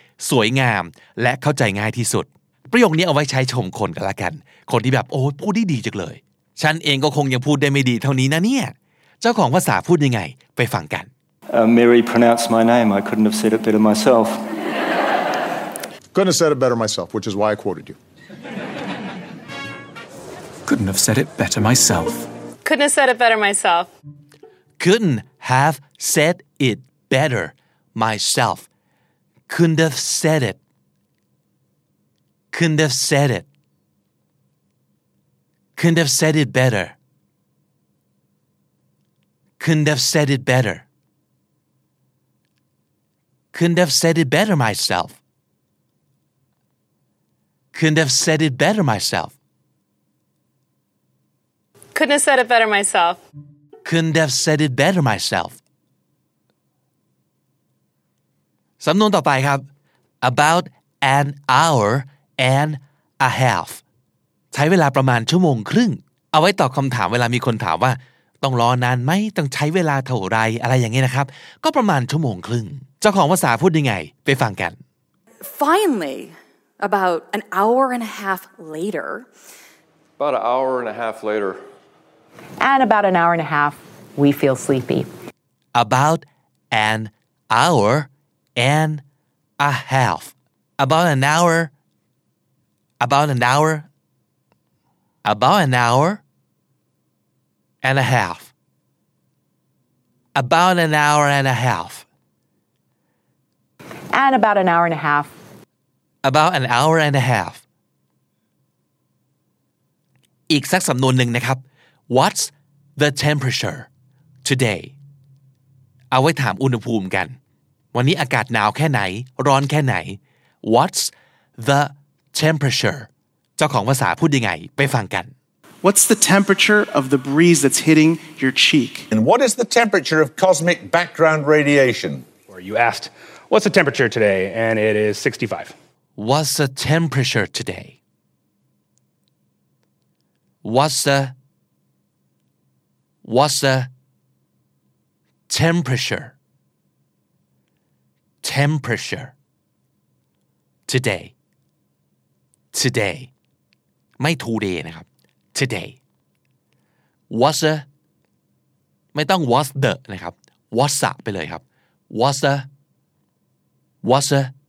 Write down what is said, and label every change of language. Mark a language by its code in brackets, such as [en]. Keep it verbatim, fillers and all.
[th] สวยงามและเข้าใจง่ายที่สุดประโยคนี้เอาไว้ใช้ชมคนกันละกันคนที่แบบโอ้พูดได้ดีจังเลยฉันเองก็คงยังพูดได้ไม่ดีเท่านี้นะเนี่ยเจ้าของภาษาพูดยังไงไปฟังกัน [en] uh, Mary pronounced my name. I couldn't have said it better myself. Couldn't have said it better myself, which is why I quoted you. Couldn't have said it better myself. Couldn't have said it better myself. Couldn't have said it better myself. Couldn't have said it. Couldn't have said it. Couldn't have said it better. Couldn't have said it better. Couldn't have said it better myself. Couldn't have said it better myself. Couldn't have said it better myself. Couldn't have said it better myself. [th] สำนวนต่อไปครับ [en] about an hour and a half [th] ใช้เวลาประมาณชั่วโมงครึ่งเอาไว้ตอบคำถามเวลามีคนถามว่าต้องรอนานไหมต้องใช้เวลาเท่าไรอะไรอย่างเงี้ยนะครับก็ประมาณชั่วโมงครึ่งเจ้าของภาษาพูดยังไงไปฟังกัน [en] Finally, about an hour and a half later. About an hour and a half later. And about an hour and a half, we feel sleepy. About an hour. And a half. About an hour. About an hour. About an hour. And a half. About an hour and a half. And about an hour and a half. About an hour and a half. [th] อีกสักสำนวนหนึ่งนะครับ [en] What's the temperature today? [th] เอาไว้ถามอุณหภูมิกันวันนี้อากาศหนาวแค่ไหนร้อนแค่ไหน [en] What's the temperature [th] เจ้าของภาษาพูดยังไงไปฟังกัน [en] What's the temperature of the breeze that's hitting your cheek? And what is the temperature of cosmic background radiation? Or you asked, what's the temperature today? And it is sixty-five. What's the temperature today? What's the What's the temperature? Temperature today today [th] ไม่ [en] today [th] นะครับ [en] today what's the [th] ไม่ต้อง [en] what's the นะครับ what's up [th] ไปเลยครับ [en] what's the what's the